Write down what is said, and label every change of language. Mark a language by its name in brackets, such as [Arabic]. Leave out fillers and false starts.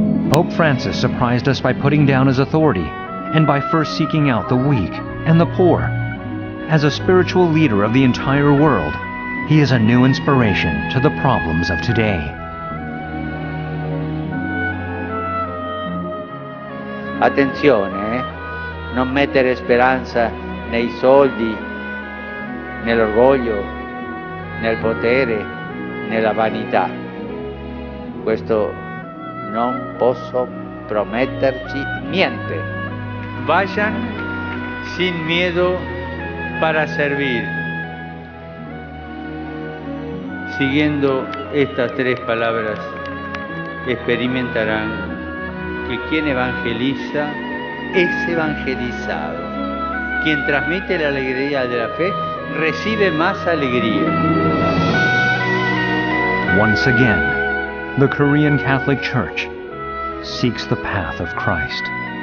[English] Pope Francis surprised us by putting down his authority and by first seeking out the weak and the poor. As a spiritual leader of the entire world, he is a new inspiration to the problems of today. [Italian] 아텐시오네, non mettere speranza nei soldi, nell'orgoglio, nel potere, nella vanità. Questo non posso prometterci niente. [Spanish] Vayan sin miedo para servir, siguiendo estas tres palabras, experimentarán que quien evangeliza es evangelizado. Quien transmite la alegría de la fe recibe más alegría. [English] Once again, the Korean Catholic Church seeks the path of Christ.